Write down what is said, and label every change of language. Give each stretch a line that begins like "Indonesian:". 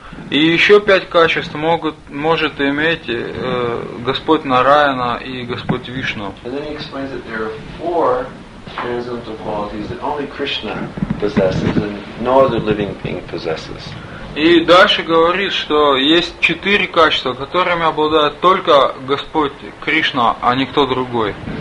Russian: И еще 5 качеств может иметь Господь Нараяна и Господь Вишну.
English: And then he explains that there are 4 transcendental qualities that only Krishna possesses and no other living being possesses.
Russian: И дальше говорит, что есть 4 качества, которыми обладает только Господь Кришна, а никто другой.